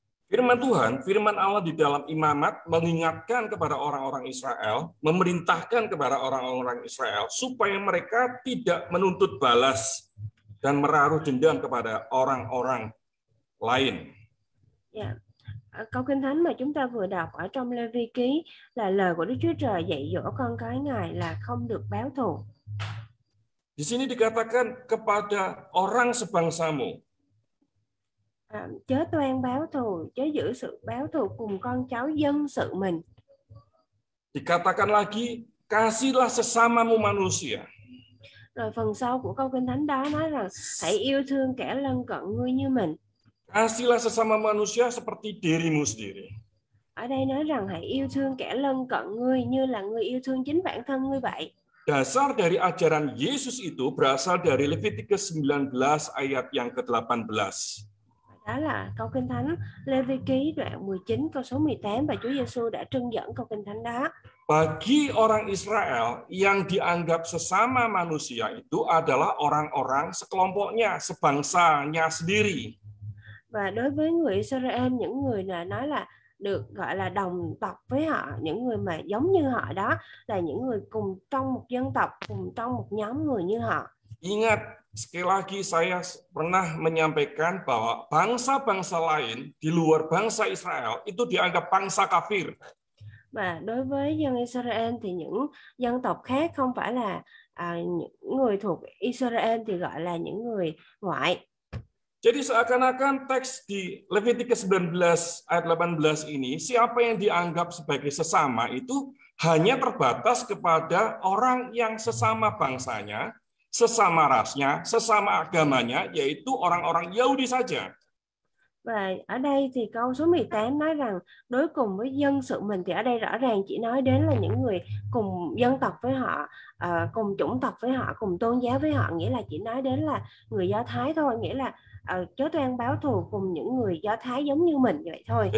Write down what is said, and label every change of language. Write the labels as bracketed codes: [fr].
[id] Firman Tuhan, firman Allah di dalam Imamat mengingatkan kepada orang-orang Israel, memerintahkan kepada orang-orang Israel supaya mereka tidak menuntut balas dan menaruh dendam kepada orang-orang lain. Ya. [vi] Câu kinh thánh mà chúng ta vừa đọc ở trong Lê Vi Ký là lời của Đức Chúa Trời dạy dỗ con cái Ngài là không được báo thù. [id] Di sini dikatakan kepada orang sebangsamu. [vi] Chớ toan báo thù, chớ giữ sự báo thù cùng con cháu dân sự mình. [id] Dikatakan lagi, kasihlah sesamamu manusia. [vi] Rồi phần sau của câu kinh thánh đó nói rằng hãy yêu thương kẻ lân cận ngươi như mình. [id] Kasihlah sesama manusia seperti dirimu sendiri. [vi] Ở đây nói rằng hãy yêu thương kẻ lân cận ngươi như là ngươi yêu thương chính bản thân ngươi vậy. [id] Dasar dari ajaran Yesus itu berasal dari Leviticus 19 ayat yang ke-18. [vi] Đó là câu kinh thánh Lê Vi Ký đoạn 19 câu số 18 và Chúa Giêsu đã trưng dẫn câu kinh thánh đó. [id] Bagi orang Israel yang dianggap sesama manusia itu adalah orang-orang sekelompoknya, sebangsanya sendiri. [vi] Và đối với người Israel, những người là nói là được gọi là đồng tộc với họ, những người mà giống như họ đó là những người cùng trong một dân tộc, cùng trong một nhóm người như họ. [id] Ingat, sekali lagi saya pernah menyampaikan bahwa bangsa-bangsa lain di luar bangsa Israel itu dianggap bangsa kafir. [vi] Và đối với dân Israel thì những dân tộc khác không phải là những người thuộc Israel thì gọi là những người ngoại. [id] Jadi seakan-akan teks di Leviticus 19 ayat 18 ini siapa yang dianggap sebagai sesama itu hanya terbatas kepada orang yang sesama bangsanya, sesama rasnya, sesama agamanya, yaitu orang-orang Yahudi saja. [vi] Và ở đây thì câu số 18 nói rằng đối cùng với dân sự mình thì ở đây rõ ràng chỉ nói đến là những người cùng dân tộc với họ, cùng chủng tộc với họ, cùng tôn giáo với họ, nghĩa là chỉ nói đến là người Do Thái thôi, nghĩa là chớ toan báo thù cùng những người Do Thái giống như mình vậy thôi.